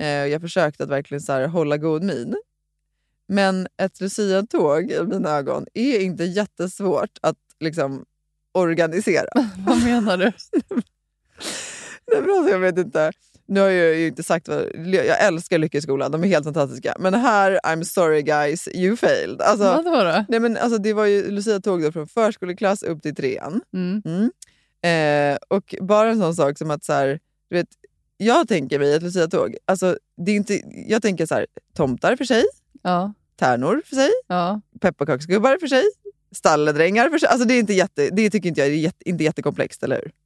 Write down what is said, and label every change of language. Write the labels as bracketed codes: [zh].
[sv] Jag försökte att verkligen så här, hålla god min. Men ett Lucia-tåg i mina ögon är inte jättesvårt att liksom organisera. Vad menar du? Det är bra, jag vet inte... Nu har jag ju inte sagt, jag älskar Lyckeskolan, de är helt fantastiska. Men här, [en] I'm sorry guys, you failed. [sv] Alltså, vad var det? Nej, men alltså, det var ju Lucia-tåg då från förskoleklass upp till trean. Mm. Och bara en sån sak som att så här, du vet, jag tänker mig ett Lucia-tåg. Alltså, det är inte, jag tänker så här, tomtar för sig, ja, tärnor för sig, ja, pepparkaksgubbar för sig, stalledrängar för sig. Alltså det är inte jätte, det tycker inte jag är inte jättekomplext, eller hur?